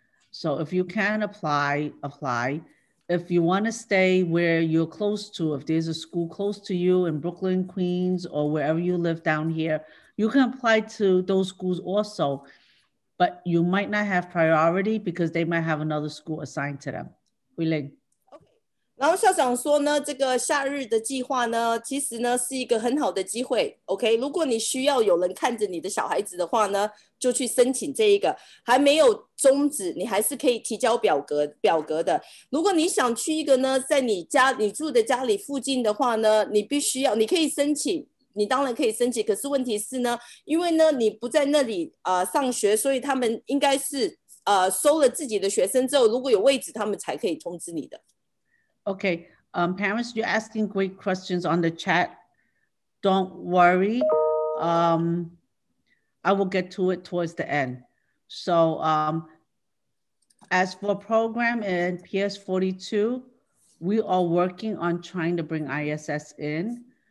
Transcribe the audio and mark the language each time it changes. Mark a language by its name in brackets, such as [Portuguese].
[English] So if you can apply. If you want to stay where you're close to, if there's a school close to you in Brooklyn, Queens, or wherever you live down here, you can apply to those schools also, but you might not have priority because they might have another school assigned to them. Huiling. [Chinese] 然后校长说呢，这个夏日的计划呢，其实呢是一个很好的机会。 OK， 如果你需要有人看着你的小孩子的话呢，就去申请这一个，还没有终止，你还是可以提交表格的。如果你想去一个呢，在你住的家里附近的话呢，你必须要，你可以申请。你当然可以申请，可是问题是呢，因为呢你不在那里上学，所以他们应该是收了自己的学生之后，如果有位置，他们才可以通知你的。 [English] Okay, parents, you're asking great questions on the chat. Don't worry. I will get to it towards the end. So, as for program and PS42, we are working on trying to bring ISS in.